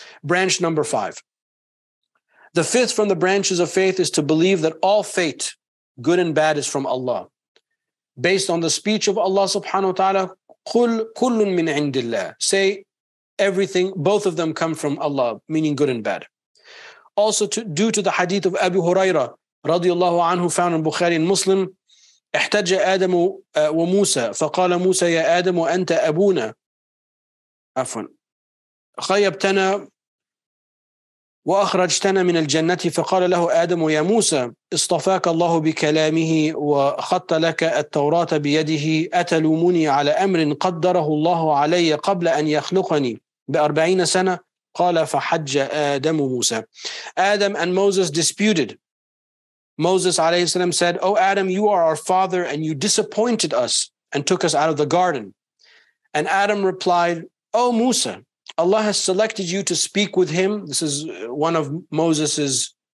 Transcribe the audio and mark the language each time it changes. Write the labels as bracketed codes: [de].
[en] Branch number five. The fifth from the branches of faith is to believe that all fate, good and bad, is from Allah. Based on the speech of Allah subhanahu wa ta'ala, [ar] قُلْ كُلٌ مِّنْ عِنْدِ اللَّهِ. [en] Say everything, both of them come from Allah, meaning good and bad. Also due to the hadith of Abu Huraira radiallahu anhu, found in Bukhari and Muslim, [ar] احْتَجَ آدَمُ وَمُوسَى فَقَالَ مُوسَى يَا آدَمُ أَنْتَ أَبُونَ أَفْوَنْ خيبتنا وأخرجتنا من الجنة فقال له آدم يا موسى اصطفاك الله بكلامه وخط لك التوراة بيده أتلومني على أمر قدره الله علي قبل أن يخلقني بأربعين سنة قال فحج آدم موسى. [en] Adam and Moses disputed. Moses عليه السلام said, O Adam, you are our father and you disappointed us and took us out of the garden. And Adam replied, O Musa, Allah has selected you to speak with him. This is one of Moses'